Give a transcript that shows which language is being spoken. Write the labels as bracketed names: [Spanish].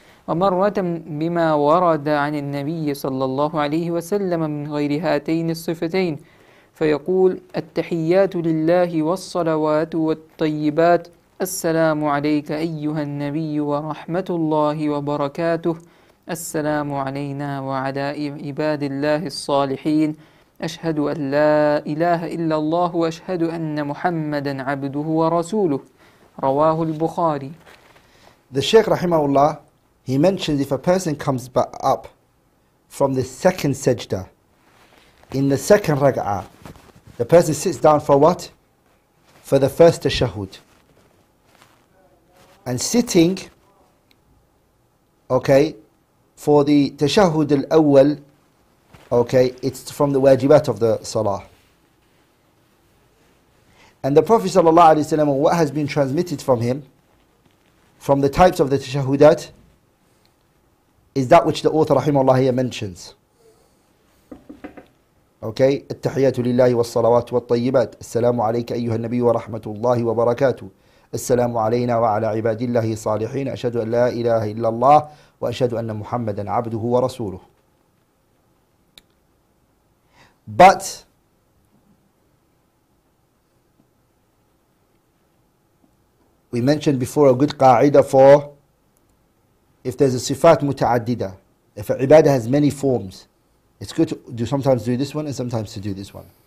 [Arabic] ومرة بما ورد عن النبي صلى الله عليه وسلم من غير هاتين الصفتين، فيقول: التحيات لله والصلوات والطيبات، السلام عليك أيها النبي ورحمة الله وبركاته، السلام علينا وعلى عباد الله الصالحين، أشهد أن لا إله إلا الله، وأشهد أن محمدا عبده ورسوله. رواه البخاري. [English] The Sheikh Rahimahullah, he mentions if a person comes back up from the second sajda, in the second raka'ah, the person sits down for what? For the first tashahud. And sitting, okay, for the tashahud al-awwal, okay, it's from the wajibat of the salah. And the Prophet sallallahu alayhi wa sallam, what has been transmitted from him, from the types of the tashahudat, is that which the author rahimahullah here mentions. [Arabic] Okay, التحيات لله والصلوات والطيبات السلام عليك أيها النبي ورحمة الله وبركاته السلام علينا وعلى عباد الله الصالحين أشهد أن لا إله إلا الله وأشهد أن محمدا عبده ورسوله. [English] But we mentioned before a good qa'ida for if there's a sifat mutaaddida, if a ibadah has many forms, it's good to do sometimes do this one and sometimes to do this one.